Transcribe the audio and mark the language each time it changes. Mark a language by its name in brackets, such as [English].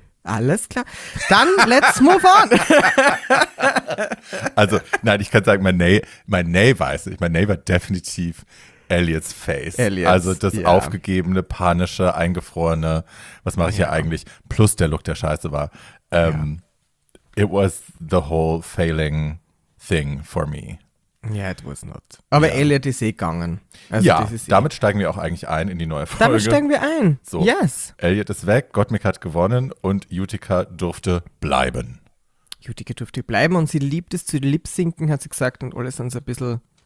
[German] Alles klar. Dann [English] let's move on. [German] Also, nein, ich kann sagen, mein Nay war definitiv Elliots Face. Elliots, also das aufgegebene, panische, eingefrorene, was mache ich hier eigentlich? Plus der Look, der scheiße war. [English] It was the whole failing thing for me. Yeah, it was not. [German] Aber Elliot ist eh gegangen. Also ja, das ist damit steigen wir auch eigentlich ein in die neue Folge. Damit steigen wir ein, so, yes. Elliot ist weg, Gottmik hat gewonnen und Utica durfte bleiben. Utica durfte bleiben und sie liebt es zu lipsinken, hat sie gesagt, und alles sind so ein bisschen...